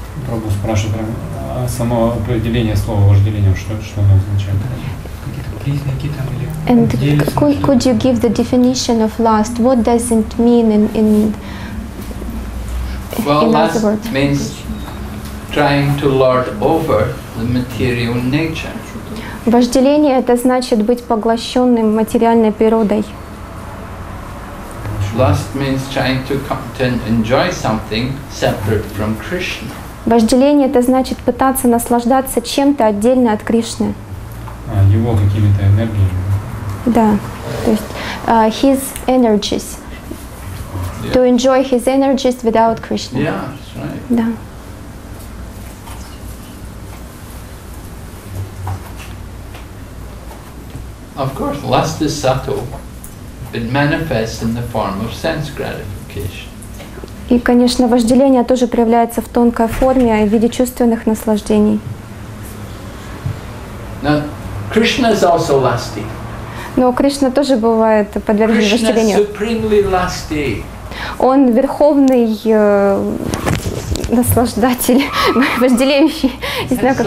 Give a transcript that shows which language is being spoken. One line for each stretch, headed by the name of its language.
Russian: Пробую спрашивать прямо само определение слова вожделением, что оно означает? Какие-то признаки там или?
English: And could you give the definition of lust? What does it mean in other words? Lust means trying to lord over the material nature.
Russian: Вожделение — это значит быть поглощенным материальной природой.
English: Lust means trying to enjoy something separate from Krishna.
Russian: Вожделение — это значит пытаться наслаждаться чем-то отдельно от Кришны. Его какими-то энергиями. Да, то есть
English: his energies. Yeah. To enjoy his energies without Krishna. Yeah, that's right.
Russian: Да.
English: Of course, lust is subtle. It manifests in the form of sense gratification.
Russian: И, конечно, вожделение тоже проявляется в тонкой форме, а в виде чувственных наслаждений.
English: Now, Krishna is also lusty.
Russian: Но Кришна тоже бывает подвержен
English: Krishna
Russian: вожделению.
English: Krishna is supremely lusty.
Russian: Он верховный наслаждатель, вожделеющий, не знаю, как